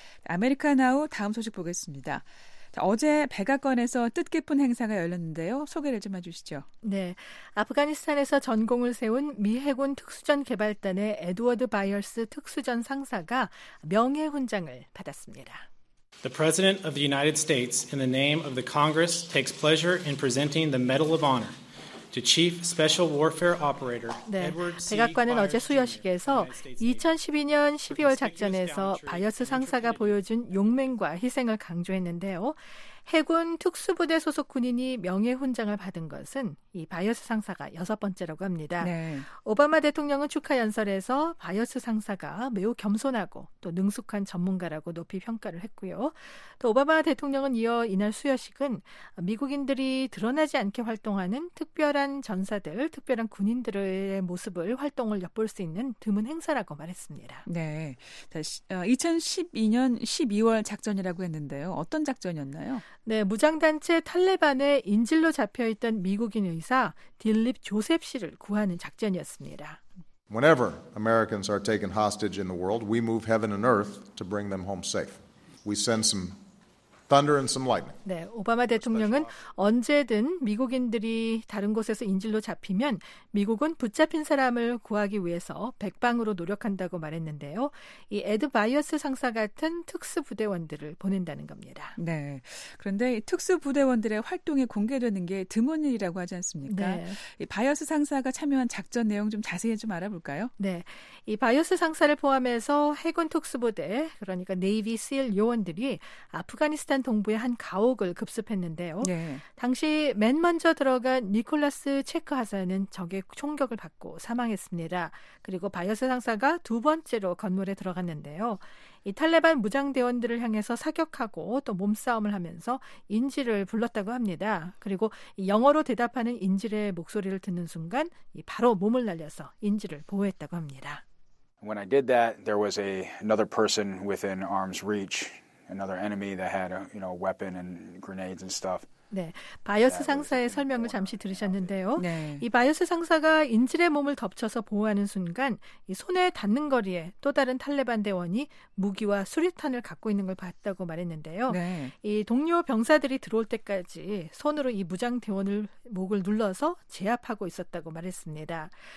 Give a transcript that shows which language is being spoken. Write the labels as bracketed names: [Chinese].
[Korean] 아메리카 나우 다음 소식 보겠습니다. 어제 백악관에서 뜻깊은 행사가 열렸는데요. 소개를 좀 해주시죠. 네. 아프가니스탄에서 전공을 세운 미 해군 특수전 개발단의 에드워드 바이얼스 특수전 상사가 명예훈장을 받았습니다. [English] The President of the United States in the name of the Congress takes pleasure in presenting the Medal of Honor. To Chief Special Warfare Operator, [Korean] 네, 백악관은 어제 수여식에서 2012년 12월 작전에서 바이어스 상사가 보여준 용맹과 희생을 강조했는데요. 해군 특수부대 소속 군인이 명예훈장을 받은 것은 이 바이어스 상사가 여섯 번째라고 합니다. 네. 오바마 대통령은 축하 연설에서 바이어스 상사가 매우 겸손하고 또 능숙한 전문가라고 높이 평가를 했고요. 또 오바마 대통령은 이어 이날 수여식은 미국인들이 드러나지 않게 활동하는 특별한 전사들, 특별한 군인들의 모습을 활동을 엿볼 수 있는 드문 행사라고 말했습니다. 네. 2012년 12월 작전이라고 했는데요. 어떤 작전이었나요? 네, 무장단체 탈레반의 인질로 잡혀있던 미국인 의사 딜립 조셉 씨를 구하는 작전이었습니다. [English] Whenever Americans are taken hostage in the world, we move heaven and earth to bring them home safe. We send some thunder and some lightning. [Korean] 네, 오바마 대통령은 언제든 미국인들이 다른 곳에서 인질로 잡히면 미국은 붙잡힌 사람을 구하기 위해서 백방으로 노력한다고 말했는데요. 이 에드 바이어스 상사 같은 특수부대원들을 보낸다는 겁니다. 네, 그런데 특수부대원들의 활동이 공개되는 게 드문 일이라고 하지 않습니까? 네. 이 바이어스 상사가 참여한 작전 내용 좀 자세히 좀 알아볼까요? 네, 이 바이어스 상사를 포함해서 해군 특수부대, 그러니까 네이비 씰 요원들이 아프가니스탄 동부의 한 가옥을 급습했는데요. 네. 당시 맨 먼저 들어간 니콜라스 체크 하사는 적의 총격을 받고 사망했습니다. 그리고 바이어스 상사가 두 번째로 건물에 들어갔는데요. 이 탈레반 무장대원들을 향해서 사격하고 또 몸싸움을 하면서 인질을 불렀다고 합니다. 그리고 영어로 대답하는 인질의 목소리를 듣는 순간 바로 몸을 날려서 인질을 보호했다고 합니다. [English] When I did that, there was another person within arm's reach, another enemy that had a, you know, weapon and grenades and stuff. [Korean] 네, 바이어스 상사의 설명을 잠시 들으셨는데요. 네. 이 바이어스 상사가 인질의 몸을 덮쳐서 보호하는 순간 이 손에 닿는 거리에 또 다른 탈레반 대원이 무기와 수류탄을 갖고 있는 걸 봤다고 말했는데요. 네. 이 동료 병사들이 들어올 때까지 손으로 이 무장 대원을 목을 눌러서 제압하고 있었다고 말했습니다.